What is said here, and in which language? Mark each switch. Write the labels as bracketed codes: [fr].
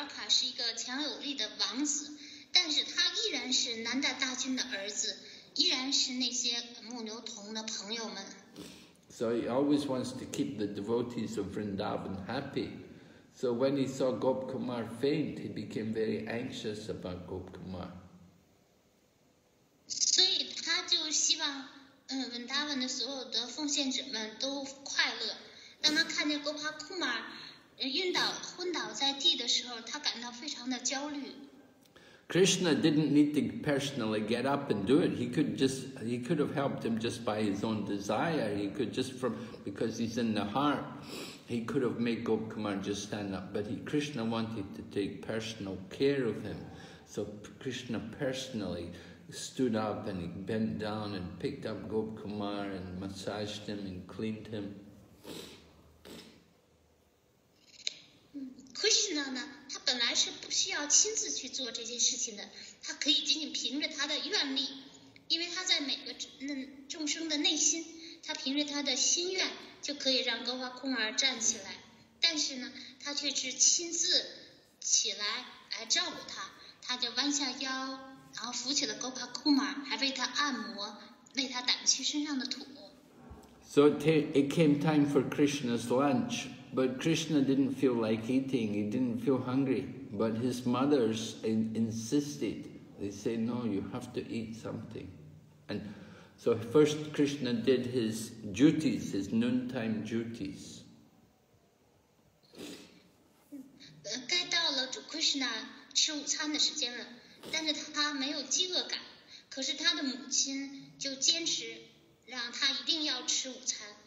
[zh] 是一个强有力的王子，但是他依然是南大大军的儿子，依然是那些牧牛童的朋友们。 [en] So he always wants to keep the devotees of Vrindavan happy. So when he saw Gop Kumar faint, he became very anxious about Gop Kumar. [zh] 所以他就希望，Vrindavan 的所有的奉献者们都快乐。当他看见 Gop Kumar 昏倒在地的时候，他感到非常的焦虑。 [en] Krishna didn't need to personally get up and do it. He could have helped him just by his own desire. He could just from, because he's in the heart, he could have made Gop Kumar just stand up. But Krishna wanted to take personal care of him. So Krishna personally stood up and he bent down and picked up Gop Kumar and massaged him and cleaned him. Krishna now. [zh] 他本来是不需要亲自去做这件事情的，他可以仅仅凭着他的愿力，因为他在每个众生的内心，他凭着他的心愿就可以让高华空儿站起来。但是呢，他却是亲自起来来照顾他，他就弯下腰，然后扶起了高华空儿，还为他按摩，为他掸去身上的土。 [en] So it came time for Krishna's lunch. But Krishna didn't feel like eating, he didn't feel hungry. But his mothers insisted, they said, no, you have to eat something. And so first Krishna did his duties, his noontime duties. [zh] 该到了主 Krishna 吃午餐的时间了，但是他没有饥饿感，可是他的母亲就坚持让他一定要吃午餐。